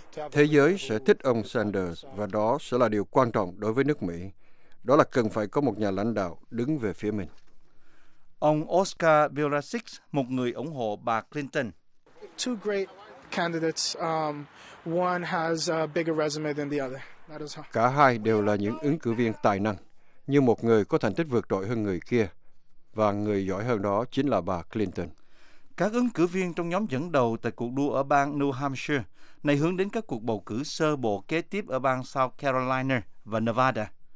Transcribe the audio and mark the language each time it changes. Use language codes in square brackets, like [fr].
[vi] Thế giới sẽ thích ông Sanders và đó sẽ là điều quan trọng đối với nước Mỹ. Đó là cần phải có một nhà lãnh đạo đứng về phía mình. Ông Oscar Bilasic, một người ủng hộ bà Clinton. [en] Two great candidates, one has a bigger resume than the other. That is [vi] cả hai đều là những ứng cử viên tài năng, nhưng một người có thành tích vượt trội hơn người kia, và người giỏi hơn đó chính là bà Clinton. Các ứng cử viên trong nhóm dẫn đầu tại cuộc đua ở bang New Hampshire này hướng đến các cuộc bầu cử sơ bộ kế tiếp ở bang South Carolina và Nevada.